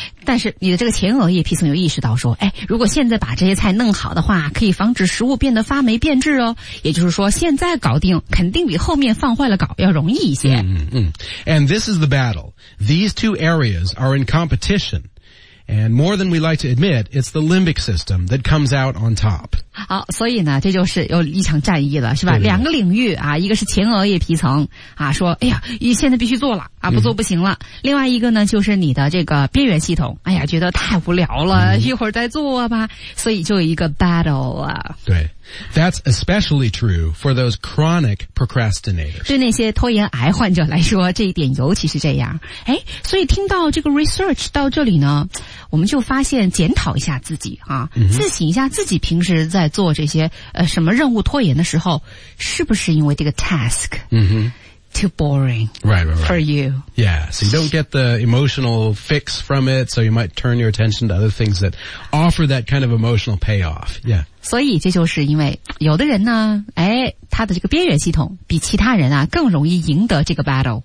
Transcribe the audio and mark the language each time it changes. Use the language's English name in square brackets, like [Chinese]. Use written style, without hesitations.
[Chinese] 但是你的这个前额叶皮层有意识到说，哎，如果现在把这些菜弄好的话，可以防止食物变得发霉变质哦。也就是说，现在搞定肯定比后面放坏了搞要容易一些。 [English] And this is the battle. These two areas are in competition. And more than we like to admit, it's the limbic system that comes out on top. [Chinese] 好，所以呢，这就是有一场战役了，是吧？两个领域啊，一个是前额叶皮层啊，说哎呀，现在必须做了啊，不做不行了。 Mm-hmm. 另外一个呢，就是你的这个边缘系统，哎呀，觉得太无聊了， mm-hmm. 一会儿再做吧。所以就有一个 battle 啊。对。 [English] That's especially true for those chronic procrastinators. [Chinese] 对那些拖延癌患者来说，这一点尤其是这样。哎，所以听到这个 research 到这里呢，我们就发现检讨一下自己啊，自省一下自己平时在做这些什么任务拖延的时候，是不是因为这个 [English] task too boring for you? Yeah, so you don't get the emotional fix from it, so you might turn your attention to other things that offer that kind of emotional payoff. Yeah. [Chinese] 所以这就是因为有的人呢，哎，他的这个边缘系统比其他人啊更容易赢得这个 battle。